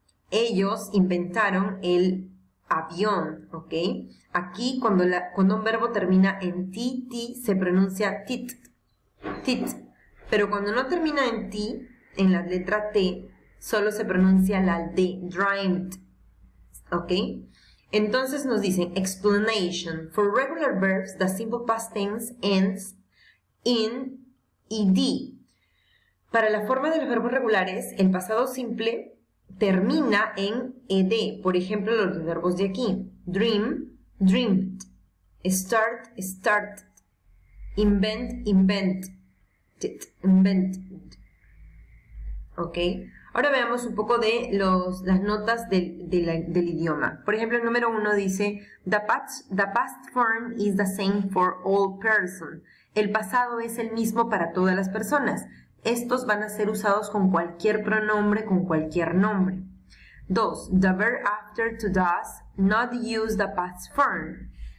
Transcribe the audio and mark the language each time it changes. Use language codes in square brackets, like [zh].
[es] Ellos inventaron el avión, ¿ok? Aquí, cuando un verbo termina en ti, se pronuncia tit, tit. Pero cuando no termina en ti, en la letra T, solo se pronuncia la D, dreamed. ¿Ok? Entonces nos dicen, explanation. [en] For regular verbs, the simple past tense ends in ed. [es] Para la forma de los verbos regulares, el pasado simple termina en ed. Por ejemplo, los verbos de aquí. Dream, dreamed. Start, started. Invent, invented. Invented. ¿Ok? Ahora veamos un poco de las notas del idioma. Por ejemplo, el número uno dice, [en] the past form is the same for all persons. [es] El pasado es el mismo para todas las personas. Estos van a ser usados con cualquier pronombre, con cualquier nombre. [en] Dos, the verb after to does not use the past form.